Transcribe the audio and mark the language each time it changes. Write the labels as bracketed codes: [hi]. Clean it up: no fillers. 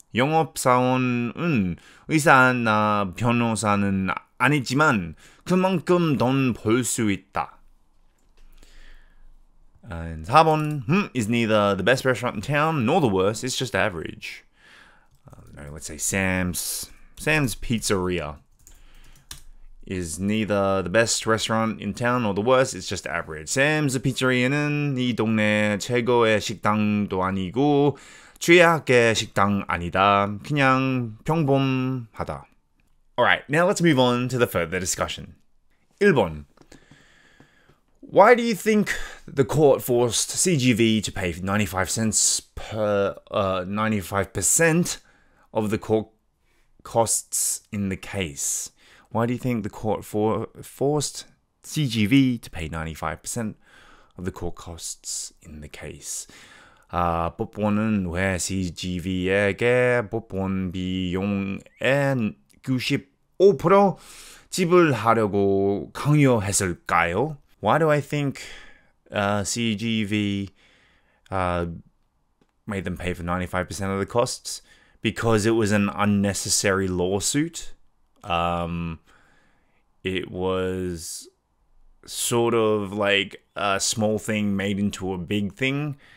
[ko] 영업사원은 의사나 변호사는 아니지만 그만큼 돈 벌 수 있다. [en] And 4번, is neither the best restaurant in town nor the worst, it's just average. No, let's say Sam's Pizzeria is neither the best restaurant in town nor the worst, it's just average. [ko] Sam's Pizzeria는 이 동네 최고의 식당도 아니고 최악의 식당 아니다. 그냥 평범하다. [en] Alright, now let's move on to the further discussion. [ko] 1번. [en] Why do you think the court forced CGV to pay 95 cents per 95% of the court costs in the case? Why do you think the court forced CGV to pay 95% of the court costs in the case? [ko] 법원은 왜 CGV에게 법원 비용의 95% 지불하려고 강요했을까요? [en] Why do I think CGV made them pay for 95% of the costs? Because it was an unnecessary lawsuit. It was sort of like a small thing made into a big thing.